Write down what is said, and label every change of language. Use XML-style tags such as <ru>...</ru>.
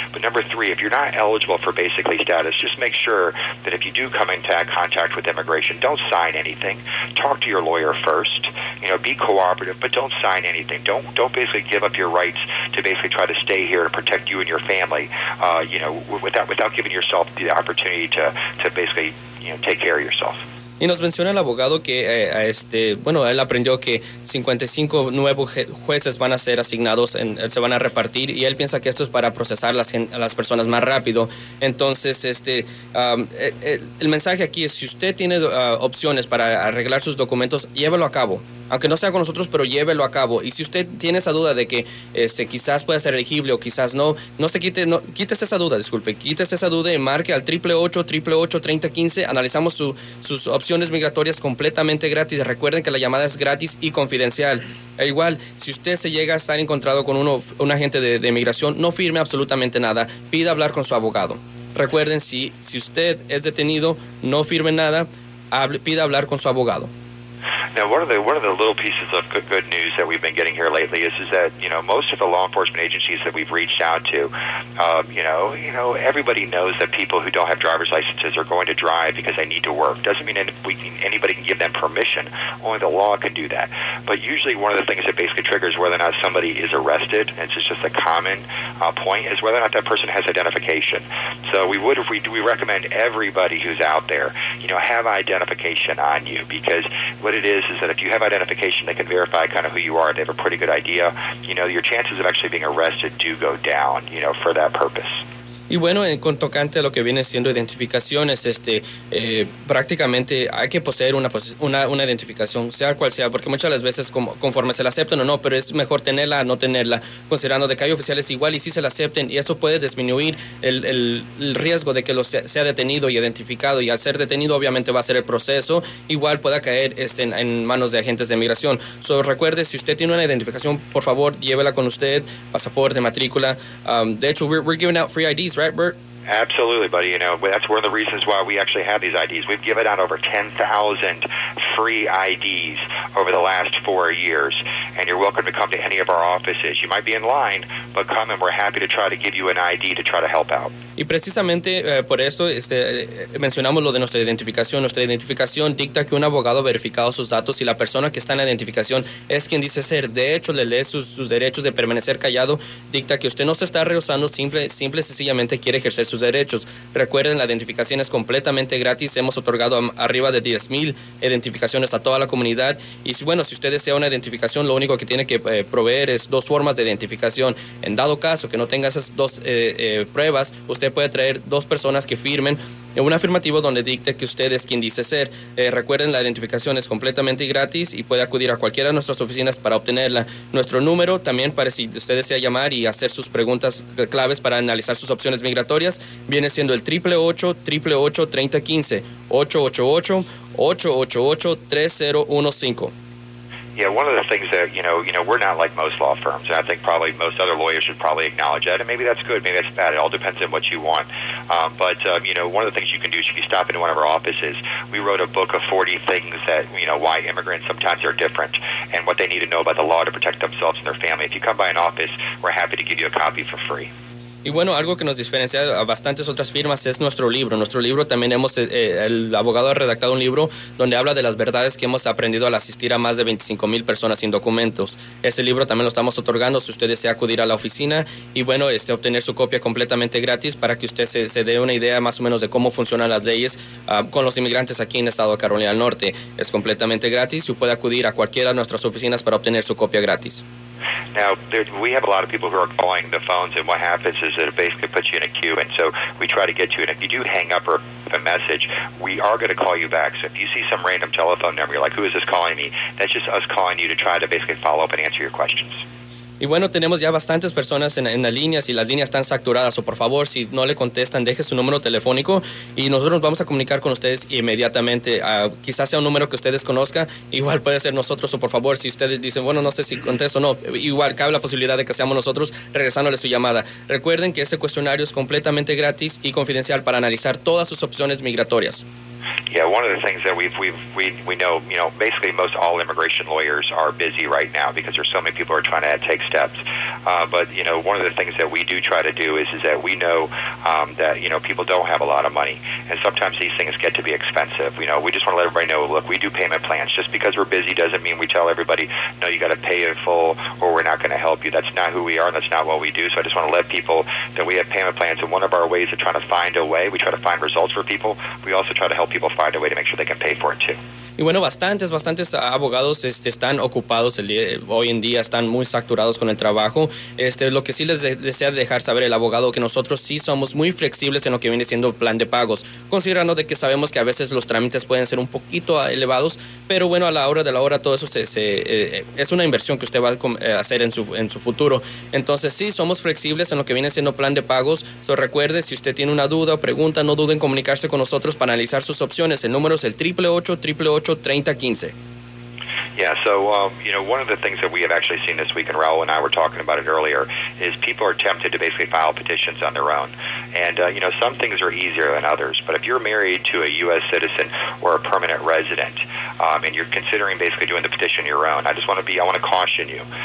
<en>But number three, if you're not eligible for basically status, just make sure that if you do come into contact with immigration, don't sign anything. Talk to your lawyer first. You know, be cooperative, but don't sign anything. Don't basically give up your rights to basically try to stay here to protect you and your family, you know, without giving yourself the opportunity to basically, you know, take care of yourself.</en> <es>Y nos menciona el abogado que, bueno, él aprendió que 55 nuevos jueces van a ser asignados, se van a repartir, y él piensa que esto es para procesar las personas más rápido. Entonces, el mensaje aquí es, si usted tiene opciones para arreglar sus documentos, llévelo a cabo. Aunque no sea con nosotros, pero llévelo a cabo. Y si usted tiene esa duda de que quizás pueda ser elegible o quizás no, quítese esa duda y marque al 888-888-3015. Analizamos sus opciones migratorias completamente gratis. Recuerden que la llamada es gratis y confidencial. E igual, si usted se llega a estar encontrado con un agente de migración, no firme absolutamente nada. Pida hablar con su abogado. Recuerden, si usted es detenido, no firme nada, pida hablar con su abogado.</es> <en>Now, one of the little pieces of good news that we've been getting here lately is that, you know, most of the law enforcement agencies that we've reached out to, you know, everybody knows that people who don't have driver's licenses are going to drive because they need to work. Doesn't mean anybody can give them permission. Only the law can do that. But usually one of the things that basically triggers whether or not somebody is arrested, and it's just a common point, is whether or not that person has identification. So we recommend everybody who's out there, you know, have identification on you, because what it is that if you have identification, they can verify kind of who you are. They have a pretty good idea. You know, your chances of actually being arrested do go down, you know, for that purpose.</en> <es>Y bueno, con tocante a lo que viene siendo identificaciones, prácticamente hay que poseer una identificación, sea cual sea, porque muchas de las veces conforme se la aceptan o no, pero es mejor tenerla o no tenerla, considerando de que hay oficiales igual y sí se la acepten, y eso puede disminuir el riesgo de que lo sea detenido y identificado, y al ser detenido obviamente va a ser el proceso, igual pueda caer en manos de agentes de inmigración. So, recuerde, si usted tiene una identificación, por favor, llévela con usted, pasaporte, matrícula. De hecho,</es> <en>we're giving out free IDs, right, Bert? Absolutely, buddy. You know, that's one of the reasons why we actually have these IDs. We've given out over 10,000 free IDs over the last 4 years, and you're welcome to come to any of our offices. You might be in line, but come, and we're happy to try to give you an ID to try to help out.</en> <es>Y precisamente por esto mencionamos lo de nuestra identificación. Nuestra identificación dicta que un abogado ha verificado sus datos y la persona que está en la identificación es quien dice ser. De hecho, le lee sus derechos de permanecer callado. Dicta que usted no se está rehusando, simple y sencillamente quiere ejercer sus derechos. Recuerden, la identificación es completamente gratis. Hemos otorgado arriba de 10,000 identificaciones a toda la comunidad. Y bueno, si usted desea una identificación, lo único que tiene que proveer es dos formas de identificación. En dado caso que no tenga esas dos pruebas, usted puede traer dos personas que firmen en un afirmativo donde dicte que usted es quien dice ser. Recuerden, la identificación es completamente gratis y puede acudir a cualquiera de nuestras oficinas para obtenerla. Nuestro número también, para si usted desea llamar y hacer sus preguntas claves para analizar sus opciones migratorias, viene siendo el 888-888-3015, 888-888-3015.</es> <en>Yeah, one of the things that, you know, we're not like most law firms, and I think probably most other lawyers should probably acknowledge that, and maybe that's good, maybe that's bad, it all depends on what you want. But one of the things you can do is if you stop into one of our offices, we wrote a book of 40 things that, you know, why immigrants sometimes are different, and what they need to know about the law to protect themselves and their family. If you come by an office, we're happy to give you a copy for free.</en> <es>Y bueno, algo que nos diferencia a bastantes otras firmas es nuestro libro. Nuestro libro también el abogado ha redactado un libro donde habla de las verdades que hemos aprendido al asistir a más de 25,000 personas sin documentos. Ese libro también lo estamos otorgando si usted desea acudir a la oficina y bueno, obtener su copia completamente gratis para que usted se dé una idea más o menos de cómo funcionan las leyes con los inmigrantes aquí en el estado de Carolina del Norte. Es completamente gratis y puede acudir a cualquiera de nuestras oficinas para obtener su copia gratis.</es> <en>Now, we have a lot of people who are calling the phones, and what happens is that it basically puts you in a queue, and so we try to get you, and if you do hang up or a message, we are going to call you back. So if you see some random telephone number, you're like, who is this calling me? That's just us calling you to try to basically follow up and answer your questions.</en> <es>Y bueno, tenemos ya bastantes personas en las líneas y las líneas están saturadas. O por favor, si no le contestan, deje su número telefónico y nosotros nos vamos a comunicar con ustedes inmediatamente. Quizás sea un número que ustedes conozcan, igual puede ser nosotros. O por favor, si ustedes dicen, bueno, no sé si contesto o no, igual cabe la posibilidad de que seamos nosotros regresándole su llamada. Recuerden que ese cuestionario es completamente gratis y confidencial para analizar todas sus opciones migratorias.</es> <en>Yeah, one of the things that we know, you know, basically most all immigration lawyers are busy right now because there's so many people who are trying to take steps. But, you know, one of the things that we do try to do is that we know that, you know, people don't have a lot of money. And sometimes these things get to be expensive. You know, we just want to let everybody know, look, we do payment plans. Just because we're busy doesn't mean we tell everybody, no, you got to pay in full or we're not going to help you. That's not who we are and that's not what we do. So I just want to let people that we have payment plans. And one of our ways of trying to find a way, we try to find results for people. We also try to help people find a way to make sure they can pay for it too.</en> <es>Y bueno, bastantes abogados están ocupados hoy en día, están muy saturados con el trabajo. Lo que sí les desea dejar saber el abogado, que nosotros sí somos muy flexibles en lo que viene siendo el plan de pagos, considerando de que sabemos que a veces los trámites pueden ser un poquito elevados, pero bueno, a la hora de la hora, todo eso es una inversión que usted va a hacer en su futuro. Entonces, sí, somos flexibles en lo que viene siendo plan de pagos. So, recuerde, si usted tiene una duda o pregunta, no duden en comunicarse con nosotros para analizar sus opciones. El número es el 888-888-3015.</es> <en>Yeah, so, you know, one of the things that we have actually seen this week, and Raul and I were talking about it earlier, is people are tempted to basically file petitions on their own. And, you know, some things are easier than others, but if you're married to a U.S. citizen or a permanent resident, and you're considering basically doing the petition on your own, I want to caution you.</en>